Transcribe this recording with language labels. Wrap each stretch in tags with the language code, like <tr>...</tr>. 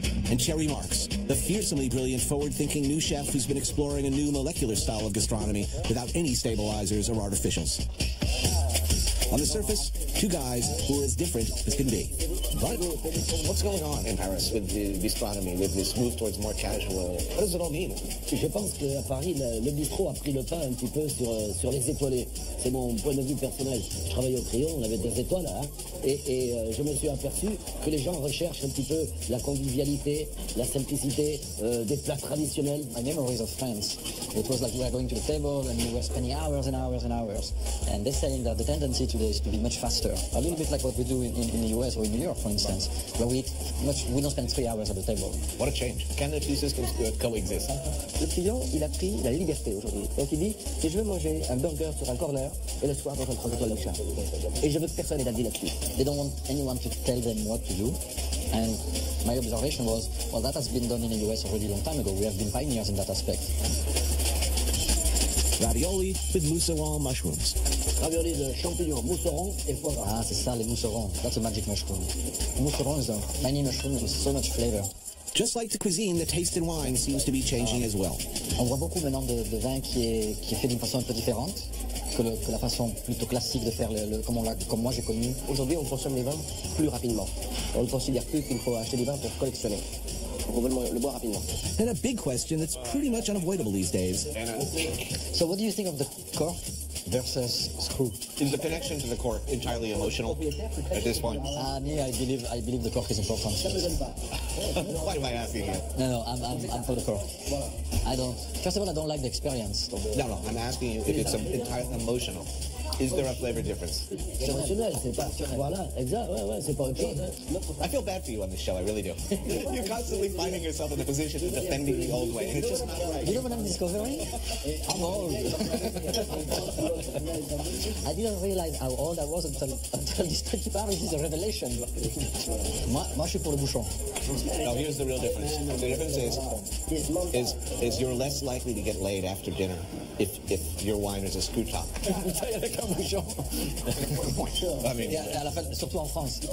<en>And Thierry Marx, the fearsomely brilliant, forward-thinking new chef who's been exploring a new molecular style of gastronomy without any stabilizers or artificials. On the surface, two guys who are as different as can be. But what's going on in Paris with the bistronomy, with this move towards more casual? What does it all mean?</en> <fr>Je pense que à Paris, le bistrot a pris le pas un petit peu sur les étoilés. C'est mon point de vue personnel. Je travaille au Crayon, on avait des étoiles, hein, et je me suis aperçu que les gens recherchent un petit peu la convivialité, la simplicité des plats traditionnels.</fr> <en>My memories of France, it was like we were going to the table and we were spending hours and hours and hours. And they're saying that the tendency today is to be much faster. A little bit like what we do in the US or in New York, for instance, where we don't spend 3 hours at the table. What a change. Can the two systems coexist?</en> <fr>Le client, il a pris la liberté aujourd'hui. Donc il dit, si je veux manger un burger sur un corner, et le soir, dans un trois étoiles de chat. Et je veux que personne ait d'avis là-dessus.</fr> <en>They don't want anyone to tell them what to do. And my observation was, well, that has been done in the US already a long time ago. We have been pioneers in that aspect. Ravioli with mousseron mushrooms.</en> <fr>Ravioli de champignons, mousseron et foie gras. Ah, c'est ça, les mousserons.</fr> <en>That's a magic mushroom. Mousseron is a many mushrooms with so much flavor. Just like the cuisine, the taste in wine seems to be changing as well.</en> <fr>On voit beaucoup maintenant de vin qui est fait d'une façon un peu différente que la façon plutôt classique de faire comme moi j'ai connu. Aujourd'hui, on consomme les vins plus rapidement. On ne considère plus qu'il faut acheter des vins pour collectionner.</fr> <en>And a big question that's pretty much unavoidable these days. So what do you think of the cork versus screw? Is the connection to the cork entirely emotional at this point? I believe the cork is important. Why am I asking you? No, I'm for the cork. I don't. First of all, I don't like the experience. No, I'm asking you if it's entirely emotional. Is there a flavor difference?</en> <fr>Traditionnel, c'est pas. Voilà, exact. Ouais, ouais, c'est pas autre chose.</fr> <en>I feel bad for you on this show. I really do. You're constantly finding yourself in the position of defending the old way. It's just not right. You know what I'm discovering? I'm old. I didn't realize how old I was until this tricky Paris is a revelation.</en> <fr>Moi, je suis pour le bouchon.</fr> <en>No, here's the real difference. The difference is you're less likely to get laid after dinner if your wine is a screw top. I mean,</en> <fr>à la fin, surtout en France.</fr>